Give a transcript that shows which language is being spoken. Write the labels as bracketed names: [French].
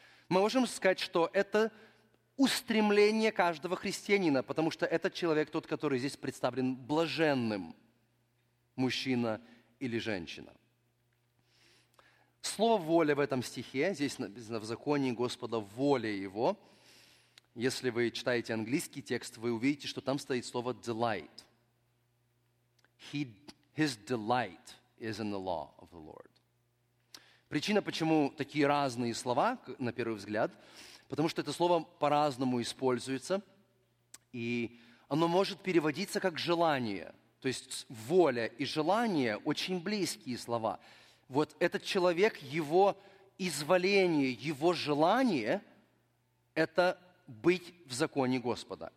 [Russian] Мы можем сказать, что это устремление каждого христианина, потому что этот человек тот, который здесь представлен блаженным, мужчина или женщина. Слово «воля» в этом стихе, здесь написано в законе Господа «воля Его». Если вы читаете английский текст, вы увидите, что там стоит слово «delight». [English] His delight is in the law of the Lord. [Russian] Причина, почему такие разные слова, на первый взгляд, потому что это слово по-разному используется, и оно может переводиться как «желание». То есть «воля» и «желание» – очень близкие слова. Вот этот человек, его изволение, его желание – это быть в законе Господа.